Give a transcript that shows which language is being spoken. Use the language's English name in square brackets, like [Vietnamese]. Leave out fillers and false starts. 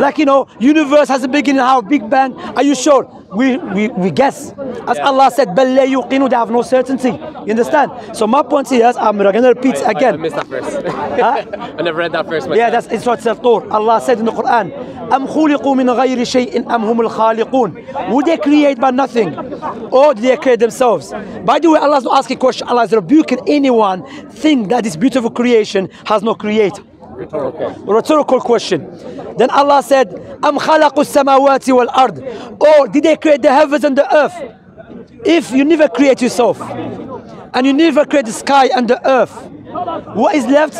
[English] Like, you know, universe has a beginning, how Big Bang, are you sure? We guess. As yeah. Allah said, [Arabic] بَلْ لَا يُقِنُوا, [English] they have no certainty. You understand? Yeah. So my point here is, I'm going to repeat again. I missed that verse. I never read that verse myself. Yeah, that's in Surah Al-Tur. Allah said in the Quran, [Arabic] أَمْ خُلِقُوا مِنْ غَيْرِ شَيْءٍ أَمْ هُمُ الْخَالِقُونَ. [English] Would they create by nothing? Or did they create themselves? By the way, Allah's not asking a question. Allah is rebuking anyone think that this beautiful creation has no creator. Rhetorical question. Then Allah said, [Arabic] "Am khalaqu as-samawati wal-ard?" [English] Or did they create the heavens and the earth? If you never create yourself, and you never create the sky and the earth, what is left?